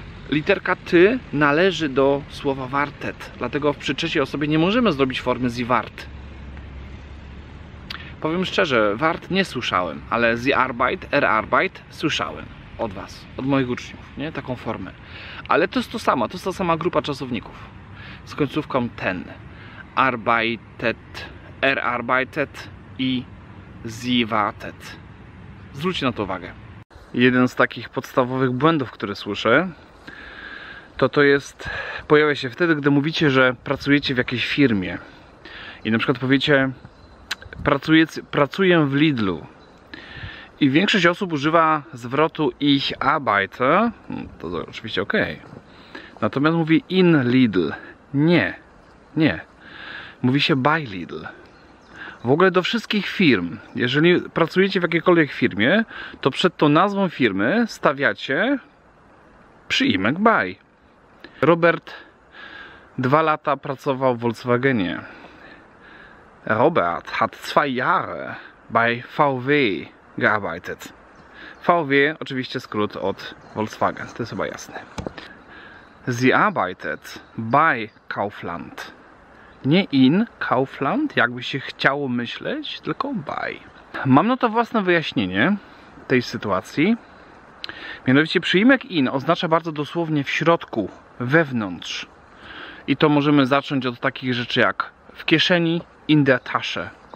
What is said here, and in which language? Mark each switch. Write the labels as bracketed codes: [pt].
[pl] Literka ty należy do słowa wartet, dlatego przy trzeciej osobie nie możemy zrobić formy sie wart. Powiem szczerze, wart nie słyszałem, ale sie arbeit, erarbeit słyszałem od was, od moich uczniów, nie? Taką formę. Ale to jest ta sama grupa czasowników z końcówką ten. Arbeitet, erarbeitet i sie wartet. Zwróćcie na to uwagę. Jeden z takich podstawowych błędów, które słyszę, to jest, pojawia się wtedy, gdy mówicie, że pracujecie w jakiejś firmie i na przykład powiecie pracuję w Lidlu i większość osób używa zwrotu ich arbeite, to oczywiście ok, natomiast mówi in Lidl, nie, mówi się by Lidl. W ogóle do wszystkich firm, jeżeli pracujecie w jakiejkolwiek firmie, to przed tą nazwą firmy stawiacie przyimek by. Robert 2 lata pracował w Volkswagenie. [de] Robert hat 2 Jahre bei VW gearbeitet. [pl] VW oczywiście skrót od Volkswagen, to jest chyba jasne. [de] Sie arbeitet bei Kaufland. [pl] Nie in Kaufland, jakby się chciało myśleć, tylko by. Mam na to własne wyjaśnienie tej sytuacji. Mianowicie przyimek in oznacza bardzo dosłownie w środku, wewnątrz. I to możemy zacząć od takich rzeczy jak w kieszeni, [de] in der Tasche.